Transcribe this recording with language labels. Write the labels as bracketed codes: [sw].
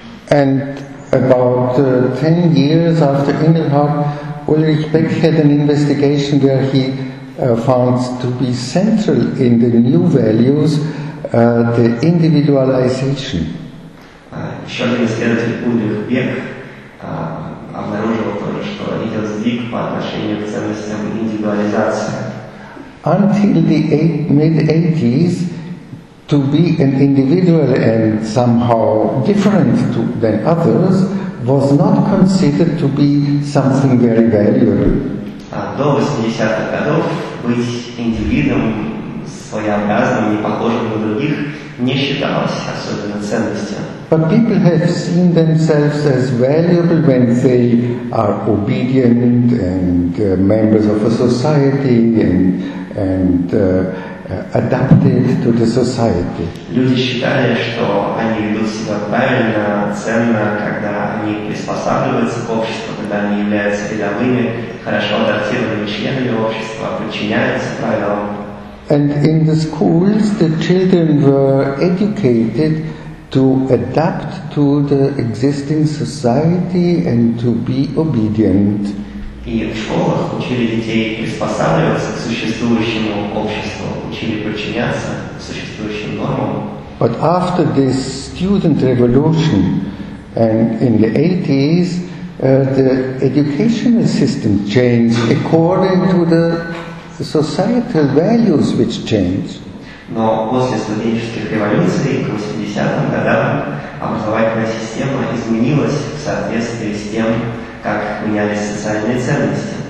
[en] And about 10 years after Engelhardt, Ulrich Beck had an investigation where he found to be central in the new values the individualization. [ru] Еще один исследователь Ульрих Бек обнаружил то, что идет сдвиг по отношению к ценностям индивидуализации. [en] Until the mid-80s, to be an individual and somehow different than others was not considered to be something very valuable. [ru] До 80-х годов быть индивидом, своеобразным, не похожим на других, не считалось особенно ценностью. [en] But people have seen themselves as valuable when they are obedient and members of a society and adapted to the society. [ru] Люди считали, что они ведут себя правильно, ценно, когда они приспосабливаются к обществу, когда они являются рядовыми, хорошо адаптированными членами общества, подчиняются правилам. [en] And in the schools, the children were educated to adapt to the existing society and to be obedient. [ru] И в школах учили детей приспосабливаться к существующему обществу, учили подчиняться существующим нормам. [en] But after this student revolution and in the 80s, the educational system changed according to the societal values which changed. [ru] Но после студенческих революций в 80-м годах образовательная система изменилась в соответствии с тем, как менялись социальные ценности.